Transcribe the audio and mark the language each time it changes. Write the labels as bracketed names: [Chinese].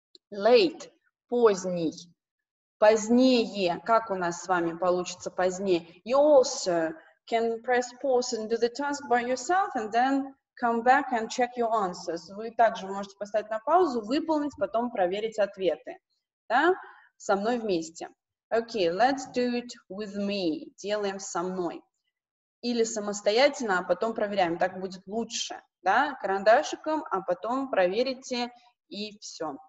[Russian] Late, поздний, позднее, как у нас с вами получится позднее. [English] You also can press pause and do the task by yourself and then come back and check your answers. [Russian] Вы также можете поставить на паузу, выполнить, потом проверить ответы, да, со мной вместе. [English] Okay, let's do it with me, [Russian] делаем со мной. Или самостоятельно, а потом проверяем. Так будет лучше, да, карандашиком, а потом проверите, и все.